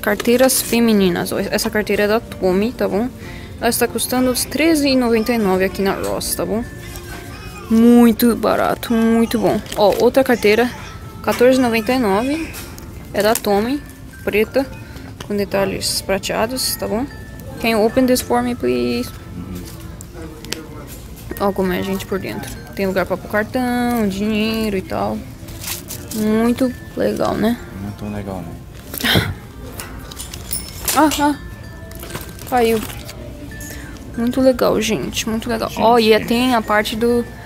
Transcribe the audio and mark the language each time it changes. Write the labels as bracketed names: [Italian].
[Portuguese] Carteiras femininas. Ó, essa carteira é da Tommy, tá bom? Ela está custando $13.99 aqui na Ross, tá bom? Muito barato, muito bom. Ó, outra carteira, $14.99. É da Tommy, preta, com detalhes prateados, tá bom? [English] Can you open this for me, please? [Portuguese] Olha como é a gente por dentro. Tem lugar pra pôr cartão, dinheiro e tal. Muito legal, né? Não é tão legal, né? Ah, caiu. Muito legal, gente. Muito legal. Ó, oh, e tem a parte do